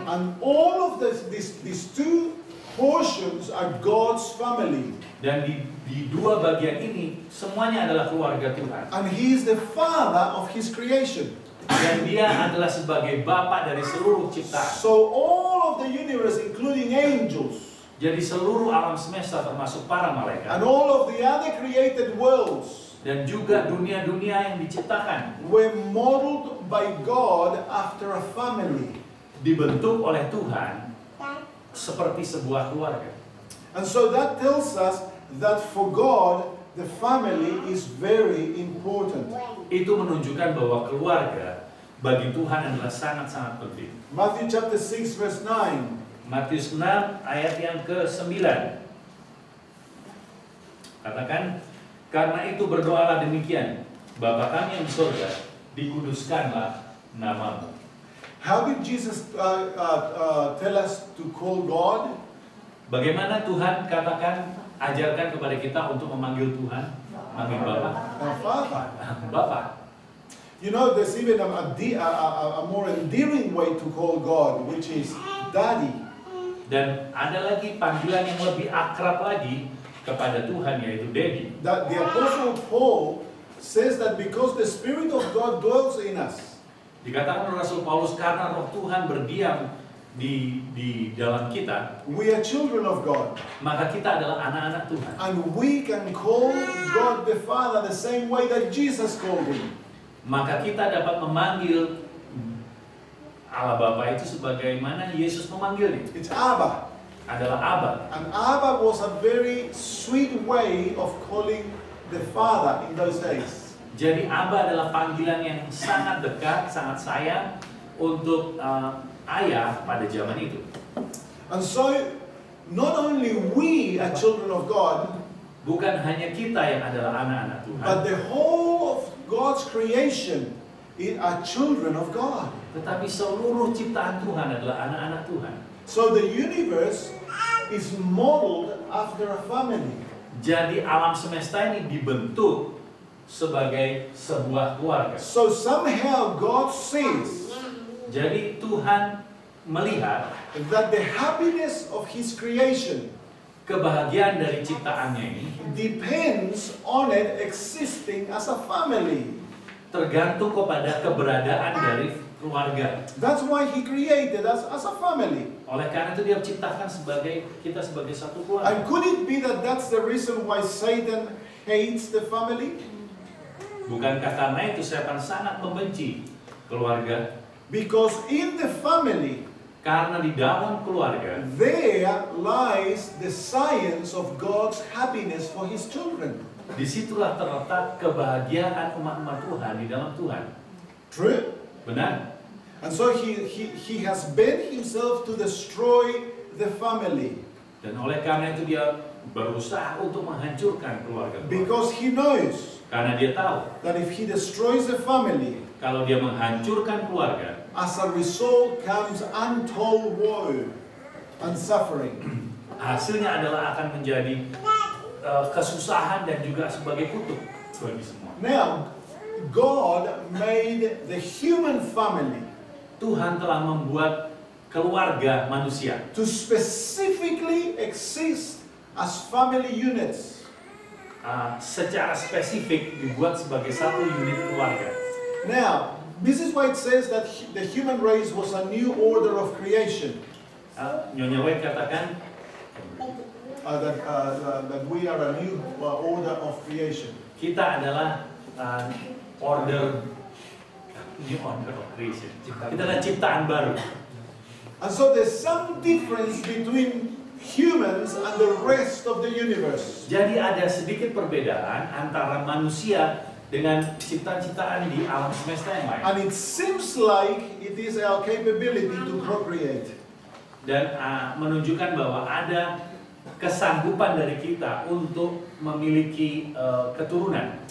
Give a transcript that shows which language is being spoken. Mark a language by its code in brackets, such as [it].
[en] And all of these two portions are God's family. [id] Dan di dua bagian ini semuanya adalah keluarga Tuhan. [en] And he is the father of his creation. [id] Dan dia adalah sebagai bapa dari seluruh ciptaan. [en] So all of the universe including angels. [id] Jadi seluruh alam semesta termasuk para malaikat. [en] And all of the other created worlds. [id] Dan juga dunia-dunia yang diciptakan. [en] Were modeled by God after a family. [id] Dibentuk oleh Tuhan seperti sebuah keluarga. [en] And so that tells us that for God the family is very important. [id] Itu menunjukkan bahwa keluarga bagi Tuhan adalah sangat-sangat penting. [en] Matthew chapter 6 verse 9. [id] Matius 6 ayat yang ke-9. Katakan, karena itu berdoalah demikian, Bapa kami yang di surga, dikuduskanlah namamu. [en] How did Jesus tell us to call God? [id] Bagaimana Tuhan katakan, ajarkan kepada kita untuk memanggil Tuhan, panggil Bapa? Bapa. [en] You know, there's even a more endearing way to call God, which is Daddy. [id] Dan ada lagi panggilan yang lebih akrab lagi kepada Tuhan, yaitu Daddy. [en] That the Apostle Paul says that because the Spirit of God dwells in us. [id] Dikatakan Rasul Paulus karena Roh Tuhan berdiam di dalam kita. [en] We are children of God. [id] Maka kita adalah anak-anak Tuhan. [en] And we can call God the Father the same way that Jesus called him. [id] Maka kita dapat memanggil Allah Bapa itu sebagaimana Yesus memanggilnya. [en] It's Abba. [id] Adalah Abba. [en] And Abba was a very sweet way of calling the Father in those days. [id] Jadi Abba adalah panggilan yang sangat dekat, sangat sayang untuk ayah pada zaman itu. [en] And so not only we are children of God, [id] bukan hanya kita yang adalah anak-anak Tuhan, [en] but the whole of God's creation it are children of God. [id] Tetapi seluruh ciptaan Tuhan adalah anak-anak Tuhan. [en] So the universe is modeled after a family. [id] Jadi alam semesta ini dibentuk sebagai sebuah keluarga. [en] So somehow God sees. [id] Jadi Tuhan melihat [en] that the happiness of his creation, [id] kebahagiaan dari ciptaannya ini, [en] depends on it existing as a family. [id] Tergantung kepada keberadaan dari keluarga. [en] That's why he created us as a family. [id] Oleh karena itu dia menciptakan sebagai kita sebagai satu keluarga. [en] And could it be that that's the reason why Satan hates the family? [id] Bukankah karena itu setan sangat membenci keluarga? [en] Because in the family, [id] karena di dalam keluarga, [en] there lies the science of God's happiness for his children. [id] Disitulah terletak kebahagiaan umat-umat Tuhan di dalam Tuhan. [en] True. [id] Benar. [en] And so he has bent himself to destroy the family. [id] Dan oleh karena itu dia berusaha untuk menghancurkan keluarga. [en] Because he knows. [id] Karena dia tahu. [en] That if he destroys the family. [id] Kalau dia menghancurkan keluarga. [en] As a result comes untold woe and suffering. [id] Hasilnya adalah akan menjadi kesusahan dan juga sebagai kutuk bagi semua. [en] Now, God made the human family. [id] Tuhan telah membuat keluarga manusia [en] to specifically exist as family units. [id] Secara spesifik dibuat sebagai satu unit keluarga. [en] Now, this is why it says that the human race was a new order of creation. [id] Nyonya Wei katakan. [en] That we are a new order of creation. [id] Kita adalah [en] new order of creation. [id] Kita adalah ciptaan baru. [en] And so there's some difference between humans and the rest of the universe. [id] Jadi ada sedikit perbedaan antara manusia dengan ciptaan-ciptaan di alam semesta yang lain. [en] And it seems like it is our capability to procreate. [id] Dan menunjukkan bahwa ada kesanggupan dari kita untuk memiliki keturunan.